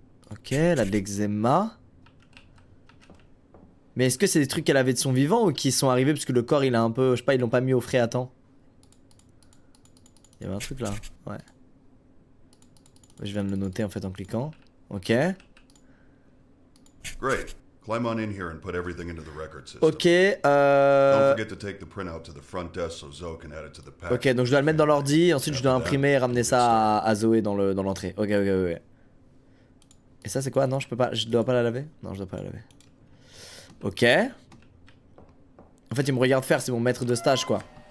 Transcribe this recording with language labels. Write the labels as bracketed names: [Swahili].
[French] Ok, elle a de l'eczéma. Mais est-ce que c'est des trucs qu'elle avait de son vivant ou qui sont arrivés parce que le corps il a un peu, je sais pas, ils l'ont pas mis au frais à temps? Il y avait un truc là, ouais. Je viens de le noter en fait en cliquant. Ok. [English] Great. Climb on in here and put everything into the record system. Ok. Don't forget to take the printout to the front desk so Zoe can add it to the pack. [French] Ok, donc je dois le mettre dans l'ordi, ensuite je dois imprimer et ramener ça à Zoé dans l'entrée. Ok. Et ça c'est quoi? Non, je peux pas, je dois pas la laver. Non, je dois pas la laver. Ok. En fait, il me regarde faire, c'est mon maître de stage, quoi.